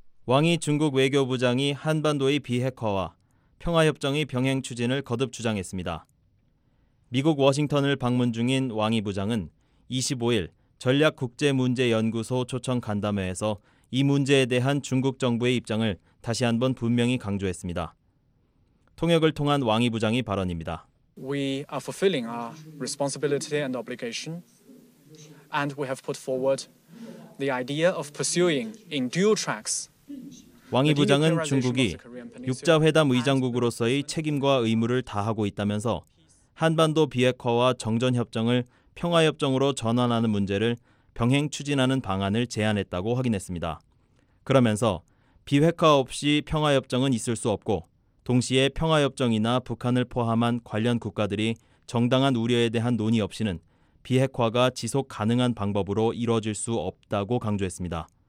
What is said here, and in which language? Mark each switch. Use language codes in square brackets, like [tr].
[ko] 왕이 중국 외교부장이 한반도의 비핵화와 평화협정의 병행 추진을 거듭 주장했습니다. 미국 워싱턴을 방문 중인 왕이 부장은 25일 전략국제문제연구소 초청 간담회에서 이 문제에 대한 중국 정부의 입장을 다시 한번 분명히 강조했습니다. 통역을 통한 왕이 부장이 발언입니다. [en] We are fulfilling our responsibility and obligation and we have put forward the idea of pursuing in dual tracks. [ko] 왕이 부장은 중국이 육자회담 의장국으로서의 책임과 의무를 다하고 있다면서 한반도 비핵화와 정전협정을 평화협정으로 전환하는 문제를 병행 추진하는 방안을 제안했다고 확인했습니다. 그러면서 비핵화 없이 평화협정은 있을 수 없고 동시에 평화협정이나 북한을 포함한 관련 국가들이 정당한 우려에 대한 논의 없이는 비핵화가 지속 가능한 방법으로 이뤄질 수 없다고 강조했습니다.